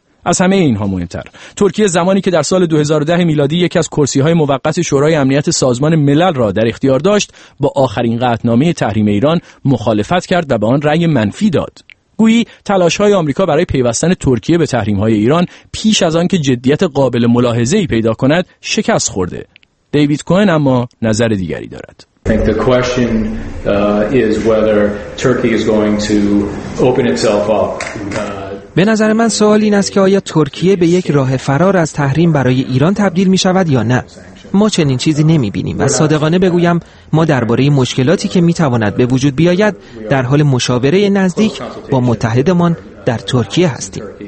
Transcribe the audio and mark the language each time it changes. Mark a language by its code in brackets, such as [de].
[fa] از همه اینها مهمتر، ترکیه زمانی که در سال 2010 میلادی یکی از کرسی‌های موقت شورای امنیت سازمان ملل را در اختیار داشت، با آخرین قطعنامه تحریم ایران مخالفت کرد و به آن رأی منفی داد. گویی تلاش‌های آمریکا برای پیوستن ترکیه به تحریم‌های ایران پیش از آن که جدیت قابل ملاحظه‌ای پیدا کند، شکست خورده. دیوید کوهن اما نظر دیگری دارد. [en] Think the question is whether Turkey is going to open itself up. [fa] به نظر من سوال این است که آیا ترکیه به یک راه فرار از تحریم برای ایران تبدیل می شود یا نه؟ ما چنین چیزی نمی بینیم و صادقانه بگویم ما درباره مشکلاتی که می تواند به وجود بیاید در حال مشاوره نزدیک با متحدمان در ترکیه هستیم.